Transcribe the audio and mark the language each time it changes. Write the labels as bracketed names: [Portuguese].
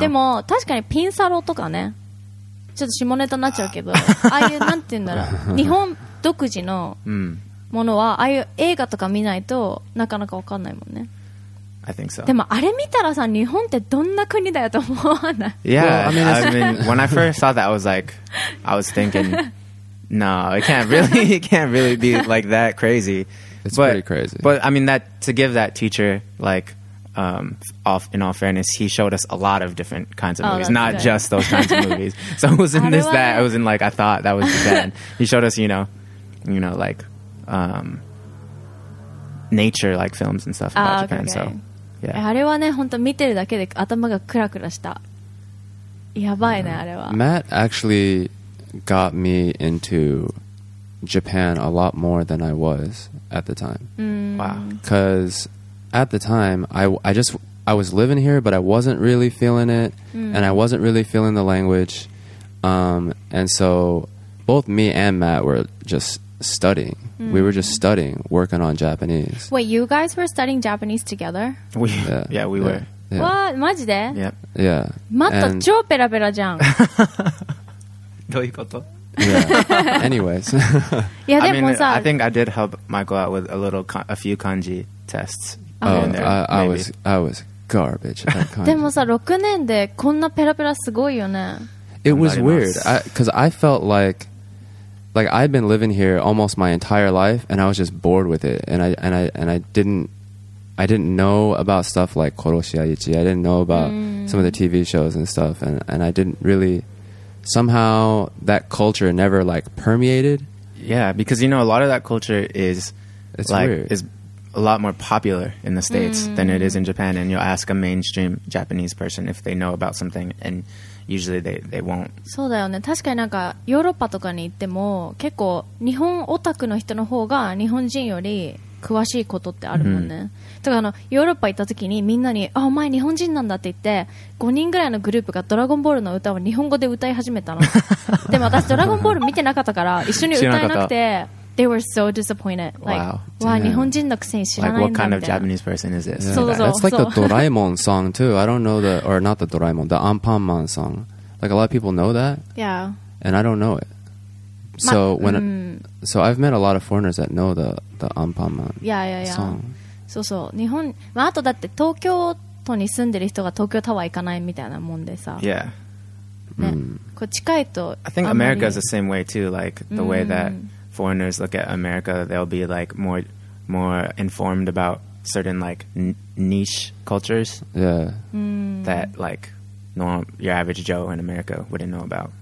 [Japanese] でも確かにピンサロとかねちょっと下ネタになっちゃうけどああいうなんて言うんだろう日本独自のものは、うん、ああいう映画とか見ないとなかなか分かんないもんね [English] I think so. [Japanese] でもあれ見たらさ日本ってどんな国だよと思わない [English] Yeah, well, I mean, when I first saw that I was like I was thinking No, it can't really be like that crazy It's but, pretty crazy But I mean, that, to give that teacher likeOff, in all fairness, he showed us a lot of different kinds of movies, not just those kinds of movies. So it wasn't this, that. It wasn't like I thought that was Japan. He showed us, you know, like nature, like films and stuff about Japan. So, yeah. [Japanese] あれはね、本当見てるだけで頭がクラクラした。やばいね、あれは。 [English] Matt actually got me into Japan a lot more than I was at the time. Wow. Because at the time, I was living here, but I wasn't really feeling it, and I wasn't really feeling the language. And so both me and Matt were just studying. Mm. We were just studying, working on Japanese. Wait, you guys were studying Japanese together? We were. Yeah. What? [Japanese] Maji de? [English] Yep. Yeah. [Japanese] Matt, chou pera pera jan. Doi koto? [English] Yeah. Anyways. Yeah, I mean, I think I did help Michael out with a few kanji tests. I was garbage at [Japanese] でもさ6年でこんなペラペラすごいよね [English] It was weird because I felt like I'd been living here almost my entire life and I was just bored with it and I didn't know about stuff like Koroshi Aichi I didn't know about some of the TV shows and stuff and I didn't really somehow that culture never like permeated yeah because you know a lot of that culture is it's like, weird is a lot more popular in the States than it is in Japan and you'll ask a mainstream Japanese person if they know about something and usually they won't [Japanese] そうだよね確かになんかヨーロッパとかに行っても結構日本オタクの人の方が日本人より詳しいことってあるもんね、だからあのヨーロッパ行った時にみんなにあお前日本人なんだって言って5人ぐらいのグループがドラゴンボールの歌を日本語で歌い始めたのでも私ドラゴンボール見てなかったから一緒に歌えなくて [English] They were so disappointed. Like, wow, [Japanese] 日本人のくせに知らないんだ。 [English] Like, what kind of Japanese person is this? Yeah. That's like the Doraemon song too. I don't know not the Doraemon, the Anpanman song. Like a lot of people know that. Yeah. And I don't know it. So so I've met a lot of foreigners that know the Anpanman song. [Japanese] そうそう。日本、まああとだって東京都に住んでる人が東京タワー行かないみたいなもんでさ。 [English] Yeah. [Japanese] こう近いと。 [English] I think America is the same way too. Like the way that. Foreigners look at America, they'll be like more informed about certain like niche cultures that like your average Joe in America wouldn't know about.